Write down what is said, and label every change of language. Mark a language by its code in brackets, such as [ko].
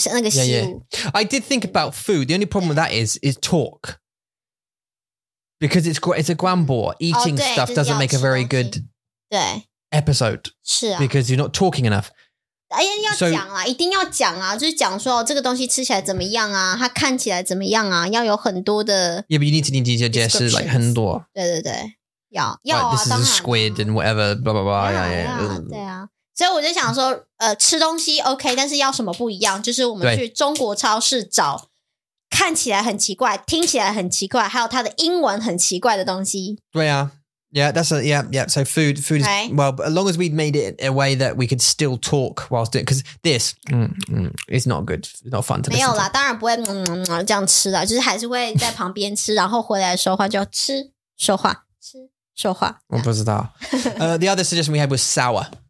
[zh] 那个食物. [en] Yeah, yeah. I did think about food. The only problem with that is talk. Because it's a guanbo. Eating stuff doesn't make a very good episode. [zh] 是啊. [en] Because you're not talking enough. [zh] 哎呀,要讲啦, 一定要讲啊, 就是讲说这个东西吃起来怎么样啊, 它看起来怎么样啊, 要有很多的... [en] Yeah, but you need to digest, like, 很多. [zh] 对对对, 要, 要啊, [en] like, this is a squid and whatever, blah, blah, blah, yeah, yeah. [zh] 对啊, 所以我就想说, 吃东西OK, 但是要什么不一样, 就是我们去中国超市找, 看起来很奇怪, 听起来很奇怪, 还有它的英文很奇怪的东西. [en] 对啊。Yeah, that's a, yeah. So food is, okay. Well, as long as we'd made it a way that we could still talk whilst doing, because this is not good, not fun to listen to. [zh] 然后回来说话就吃,说话,吃,说话. 我不知道. [en] The other suggestion we had was sour.